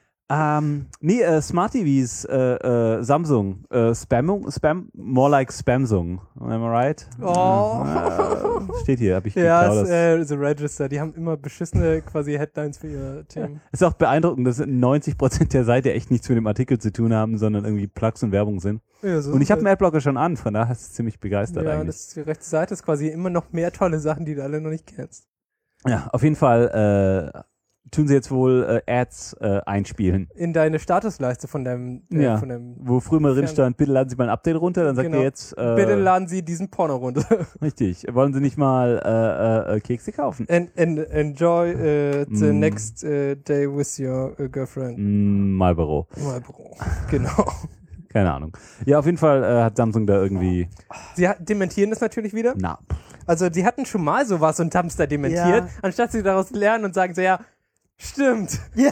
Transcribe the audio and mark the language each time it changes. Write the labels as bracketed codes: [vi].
[en] Smart TVs, Samsung, more like Spamsung, am I right? Oh. [de] Steht hier, hab ich geklaut. Ja, The Register, die haben immer beschissene quasi Headlines für ihr Team. Ist auch beeindruckend, dass 90% der Seite echt nichts mit dem Artikel zu tun haben, sondern irgendwie Plugs und Werbung sind. Ja, so und ich habe einen Adblocker schon an, von daher ist es ziemlich begeistert eigentlich. Ja, das ist die rechte Seite, ist quasi immer noch mehr tolle Sachen, die du alle noch nicht kennst. Ja, auf jeden Fall, tun sie jetzt wohl Ads einspielen. In deine Statusleiste von deinem... von deinem, wo früher mal drin stand, bitte laden Sie mal ein Update runter, dann sagt er jetzt... bitte laden Sie diesen Porno runter. Richtig. Wollen Sie nicht mal Kekse kaufen? [en] And enjoy the next day with your girlfriend. [de] Marlboro. Marlboro, genau. Keine Ahnung. Ja, auf jeden Fall hat Samsung da irgendwie... Sie dementieren das natürlich wieder? Na. Also sie hatten schon mal sowas und haben es da dementiert, anstatt sie daraus lernen und sagen so, ja... Stimmt. [en] Yeah.